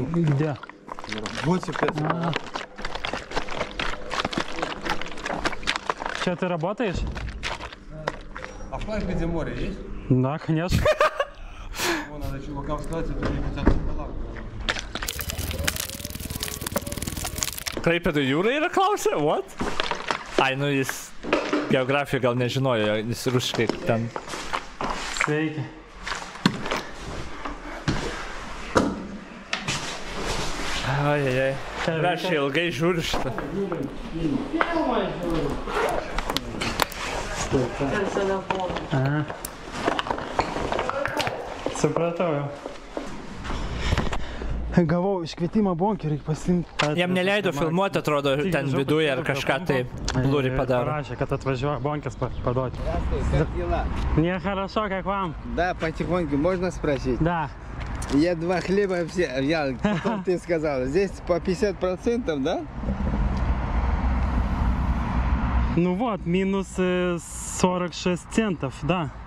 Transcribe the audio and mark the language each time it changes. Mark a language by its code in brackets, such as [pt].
[ru] Где? Вот опять. Че, ты работаешь? А в Кайфе, где море есть? Да, конечно. Вон, надо чувакам сказать, это не хотят сказала. [lt] Klaipėdų jūra yra klausę, what? Ai, nu jis geografiją gal nežinojo, jis ruškai ten. Sveiki. Ai, ai, ai. Aš ilgai žiūriu šitą. Supratau jau. Gavau iškvietimą bonkį, reikia pasiimti. Jam neleido filmuoti, atrodo, tik ten viduje ar kažką tai blurį padaro. Parašė, kad atvažiuoja bonkės paduoti. [ru] Nie, хорошо, как вам? Да, потихоньку, можно спросить? Да. Я два хлеба взял, потом ты сказал, здесь по 50%, да? Ну вот, минус 46 центов, да.